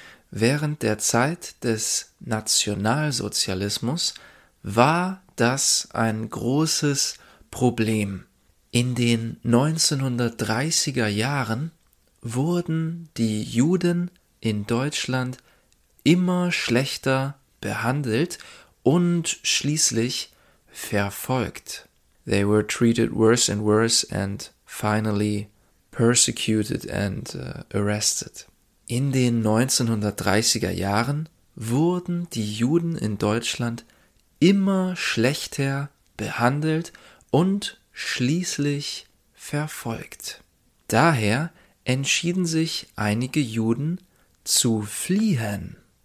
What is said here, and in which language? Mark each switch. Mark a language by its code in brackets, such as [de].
[de] Während der Zeit des Nationalsozialismus war das ein großes Problem. In den 1930er Jahren wurden die Juden in Deutschland immer schlechter behandelt und schließlich verfolgt. [en] They were treated worse and worse and finally persecuted and arrested. [de] In den 1930er Jahren wurden die Juden in Deutschland immer schlechter behandelt und schließlich verfolgt. Daher entschieden sich einige Juden zu fliehen.